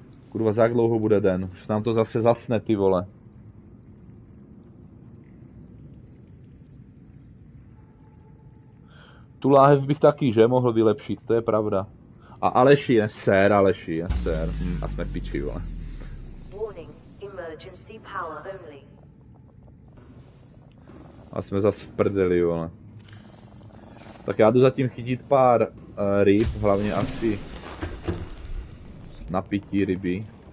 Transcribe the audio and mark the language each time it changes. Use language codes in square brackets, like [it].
[cs] Kurva, za jak dlouho bude den? Už nám to zase zasne, ty vole. Tu láhev bych taky, že, mohl vylepšit, to je pravda. A Aleši je sér, Aleši je sér. A jsme piči, vole. [en] Warning, emergency power only. [cs] A jsme zase prdeli, vole. Tak já jdu zatím chytit pár ryb, hlavně asi napití ryby.